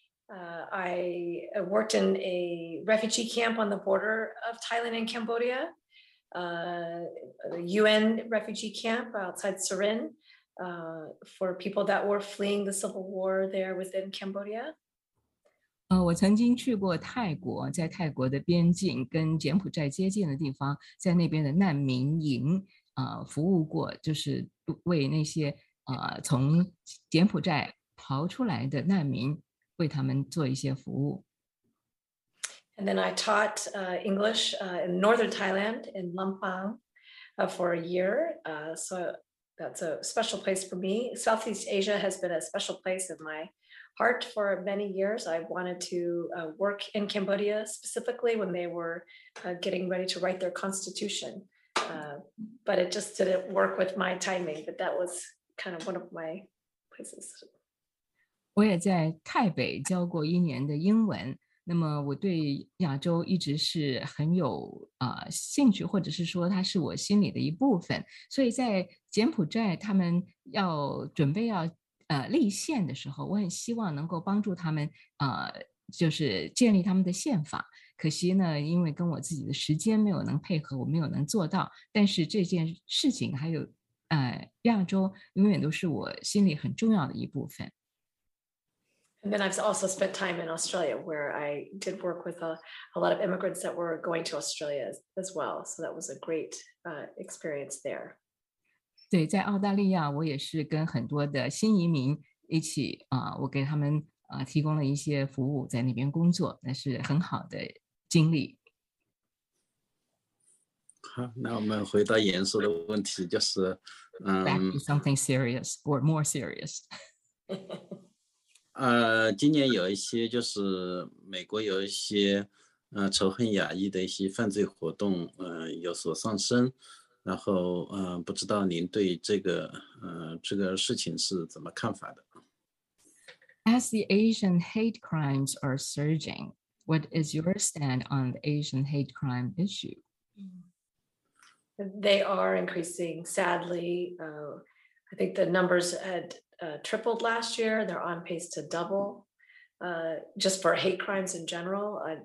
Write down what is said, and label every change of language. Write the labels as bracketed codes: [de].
[en] I worked in a refugee camp on the border of Thailand and Cambodia, a UN refugee camp outside Surin, for people that were fleeing the civil war there within Cambodia. [zh] 我曾经去过泰国，在泰国的边境跟柬埔寨接近的地方，在那边的难民营服务过，就是为那些从柬埔寨逃出来的难民为他们做一些服务。 [en] And then I taught English in northern Thailand in Lampang for a year. So that's a special place for me. Southeast Asia has been a special place in my. Heart for many years. I wanted to work in Cambodia specifically when they were getting ready to write their constitution, but it just didn't work with my timing. But that was kind of one of my places. [zh] 我也在台北教过一年的英文，那么我对亚洲一直是很有兴趣，或者是说它是我心里的一部分。所以在柬埔寨他们要准备要立宪的时候，我很希望能够帮助他们就是建立他们的宪法。可惜呢，因为跟我自己的时间没有能配合，我没有能做到。但是这件事情还有亚洲永远都是我心里很重要的一部分。 [en] And then I've also spent time in Australia where I did work with a lot of immigrants that were going to Australia as well. So that was a great experience there. [zh] 对，在澳大利亚我也是跟很多的新移民一起我给他们提供了一些服务，在那边工作，那是很好的经历。好，那我们回到严肃的问题，就是 [en] Back to something serious or more serious. [zh] 今年有一些就是美国有一些仇恨亚裔的一些犯罪活动有所上升，然后不知道您对这个事情是怎么看法的。 [en] As the Asian hate crimes are surging, what is your stand on the Asian hate crime issue? They are increasing, sadly. I think the numbers had tripled last year. They're on pace to double just for hate crimes in general.